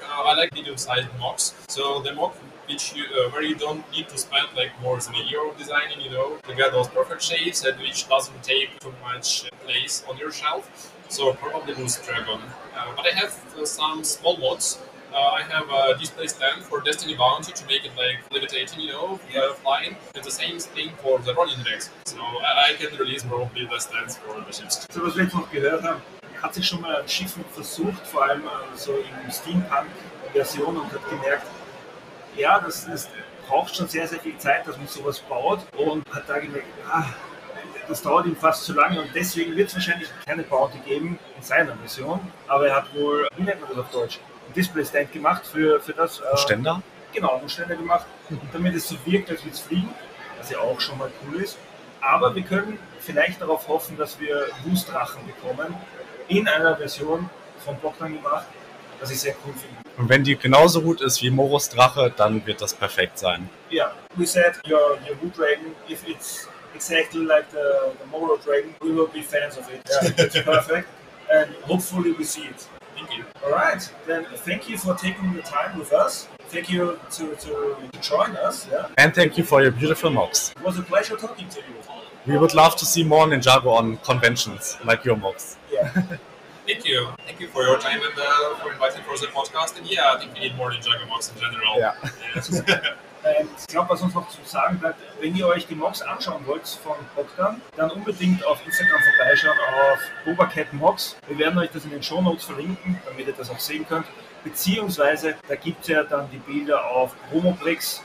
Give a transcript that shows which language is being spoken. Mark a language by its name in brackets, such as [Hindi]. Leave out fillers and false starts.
[English] I like medium-sized mocks, so the mock which you, where you don't need to spend like more than a year of designing, you know, to get those perfect shapes and which doesn't take too much place on your shelf. So probably Moose Dragon. But I have some small mods. I have a display stand for Destiny Bounty to make it like levitating, you know, flying. And the same thing for the Ronin Rex. So I can release probably the stands for the ships. [German] So was wir jetzt noch gehört haben, hat sich schon mal ein Schiff versucht, vor allem so in Steampunk-Version und hat gemerkt, ja, das braucht schon sehr, sehr viel Zeit, dass man sowas baut und hat da gemerkt, das dauert ihm fast zu lange und deswegen wird es wahrscheinlich keine Bounty geben in seiner Version. Aber er hat wohl, wie nennt man das auf Deutsch, ein Display-Stand gemacht für das. Ein Ständer? Genau, ein Ständer gemacht, damit es so wirkt, als würde es fliegen, was ja auch schon mal cool ist. Aber wir können vielleicht darauf hoffen, dass wir Wustrachen bekommen in einer Version von Bogdan gemacht. Was ich sehr cool finde. Und wenn die genauso gut ist wie Moros Drache, dann wird das perfekt sein. [English] Ja, yeah. We said your Wu Dragon, if it's exactly like the Moro Dragon, we will be fans of it. Yeah, it's perfect. And hopefully we see it. Thank you. Alright, then thank you for taking the time with us. Thank you to join us. Yeah. And thank you for your beautiful mocks. It was a pleasure talking to you. We would love to see more Ninjago on conventions like your mocks. Yeah. Thank you. Thank you for your time and for inviting for the podcast. And yeah, I think we need more Ninjago mocks in general. Yeah. Yes. [German] Ich glaube, was uns noch zu sagen bleibt, wenn ihr euch die Mocks anschauen wollt von Bogdan, dann unbedingt auf Instagram vorbeischauen auf BobaCatMocks. Wir werden euch das in den Shownotes verlinken, damit ihr das auch sehen könnt. Beziehungsweise, da gibt es ja dann die Bilder auf Promobricks.